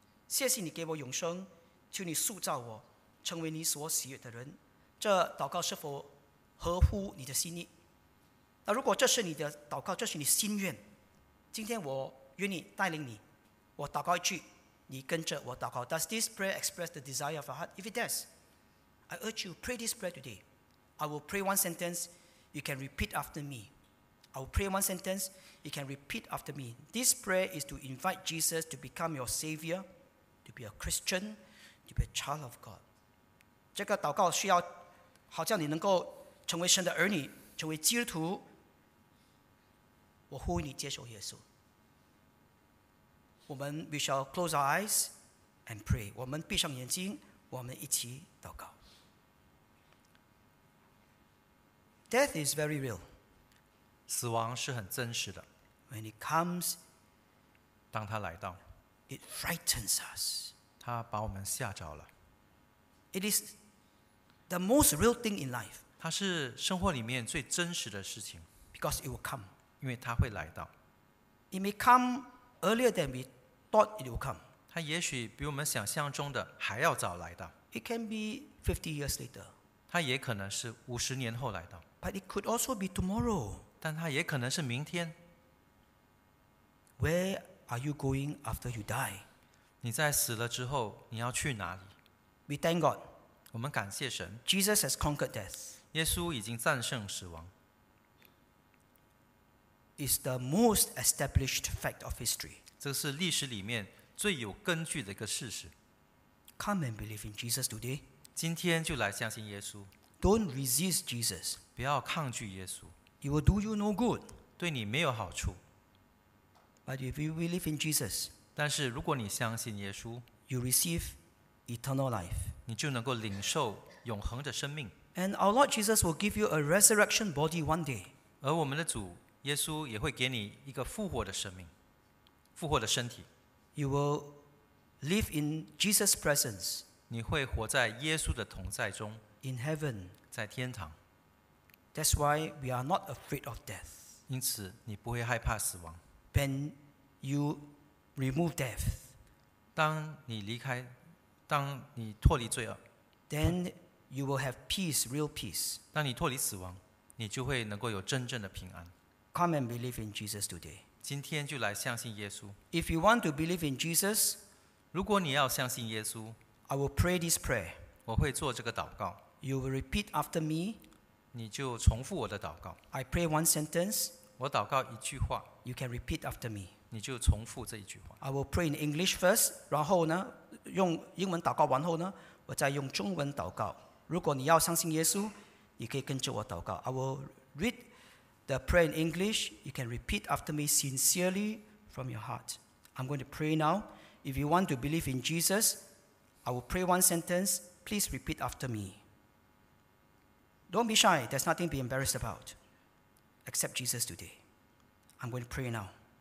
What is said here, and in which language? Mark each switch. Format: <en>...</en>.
<zh>谢谢你给我永生，求你塑造我成为你所喜悦的人。这祷告是否合乎你的心意？那如果这是你的祷告，这是你心愿，今天我愿意带领你，我祷告一句，你跟着我祷告。</zh> <en>Does this prayer express the desire of your heart? If it does,I urge you, pray this prayer today. I will pray one sentence. You can repeat after me. I will pray one sentence. You can repeat after me. This prayer is to invite Jesus to become your Savior, to be a Christian, to be a child of God.</en> <zh>这个祷告需要好叫你能够成为神的儿女，成为基督徒。我呼吁你接受耶稣。</zh> <en>We shall close our eyes and pray.</en> <zh>我们闭上眼睛，我们一起祷告。</zh> <en>Death is very real.</en> <zh>死亡是很真实的。</zh> <en>When it comes,</en> <zh>当它来到，</zh> <en>it frightens us.</en> <zh>它把我们吓着了。</zh> <en>It is the most real thing in life.</en> <zh>它是生活里面最真实的事情。</zh> <en>Because it will come.</en> <zh>因为它会来到。</zh> <en>It may come earlier than we thought it will come.</en> <zh>它也许比我们想象中的还要早来到。</zh> <en>It can be 50 years later.</en> <zh>它也可能是50年后来到。</zh> <en>But it could also be tomorrow.</en> <zh>但它也可能是明天。</zh> <en>Where are you going after you die?</en> <zh>你在死了之后，你要去哪里？</zh> <en>We thank God.</en> <zh>我们感谢神。</zh> <en>Jesus has conquered death.</en> <zh>耶稣已经战胜死亡。</zh> <en>It's the most established fact of history.</en> <zh>这是历史里面最有根据的一个事实。</zh> <en>Come and believe in Jesus today.</en> <zh>今天就来相信耶稣。</zh> <en>Don't resist Jesus.</en> <zh>不要抗拒耶稣。</zh> <en>It will do you no good.</en> <zh>对你没有好处。</zh> <en>But if you believe in Jesus,</en> <zh>但是如果你相信耶稣，</zh> <en>you receive eternal life.</en> <zh>你就能够领受永恒的生命。</zh> <en>And our Lord Jesus will give you a resurrection body one day.</en> <zh>而我们的主耶稣也会给你一个复活的生命，复活的身体。</zh> <en>You will live in Jesus' presence.</en> <zh>你会活在耶稣的同在中。</zh> <en>In heaven,</en> <zh>在天堂。</zh> <en>That's why we are not afraid of death.</en> <zh>因此，你不会害怕死亡。</zh> <en>When you remove death,</en> <zh>当你脱离罪恶，</zh> <en>then you will have peace, real peace.</en> <zh>当你脱离死亡，你就会能够有真正的平安。</zh> <en>Come and believe in Jesus today.</en> <zh>今天就来相信耶稣。</zh> <en>If you want to believe in Jesus,</en> <zh>如果你要相信耶稣，</zh> <en>I will pray this prayer.</en> <zh>我会做这个祷告。</zh> <en>You will repeat after me.</en> <zh>你就重复我的祷告。</zh> <en>I pray one sentence.</en> <zh>我祷告一句话。</zh> <en>You can repeat after me.</en> <zh>你就重复这一句话。</zh> <en>I will pray in English first.</en> <zh>然后呢，用英文祷告完后呢，我再用中文祷告。如果你要相信耶稣，你可以跟着我祷告。</zh> <en>I will read the prayer in English. You can repeat after me sincerely from your heart. I'm going to pray now. If you want to believe in Jesus, I will pray one sentence. Please repeat after me. Don't be shy. There's nothing to be embarrassed about. Accept Jesus today. I'm going to pray now.</en>